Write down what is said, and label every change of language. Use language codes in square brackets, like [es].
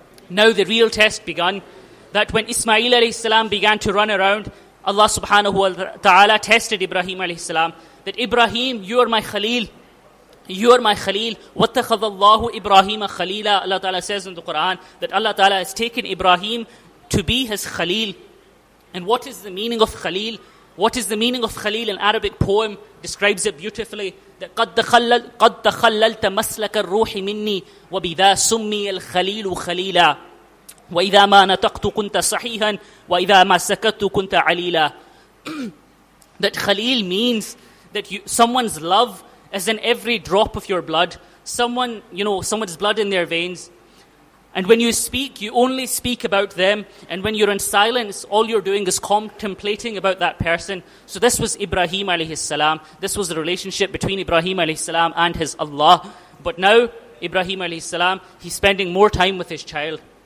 [en] Now the real test began, that when Ismail alayhi salam began to run around, Allah subhanahu wa ta'ala tested Ibrahim alayhi salam, that Ibrahim, you are my khalil. You are my khalil. [ar] وَاتَّخَذَ اللَّهُ إِبْرَاهِيمَ خَلِيلًا. [en] Allah ta'ala says in the Quran that Allah ta'ala has taken Ibrahim to be his khalil. And what is the meaning of khalil? What is the meaning of khalil? An Arabic poem describes it beautifully. [ar] That قَدْ تَخَلَّلْتَ مَسْلَكَ الرُّوحِ مِنِّي وَبِذَا سُمِّيَ الْخَلِيلُ خَلِيلًا وَإِذَا مَا نَتَقْتُ كُنْتَ صَحِيحًا وَإِذَا مَا سَكَتُ كُنْتَ عَلِيلًا. [en] That khalil means that you, someone's love is in every drop of your blood. someone, you know, someone's blood in their veins. And when you speak, you only speak about them. And when you're in silence, all you're doing is contemplating about that person. So this was Ibrahim alayhi salam. This was the relationship between Ibrahim alayhi salam and his Allah. But now, Ibrahim alayhi salam, he's spending more time with his child.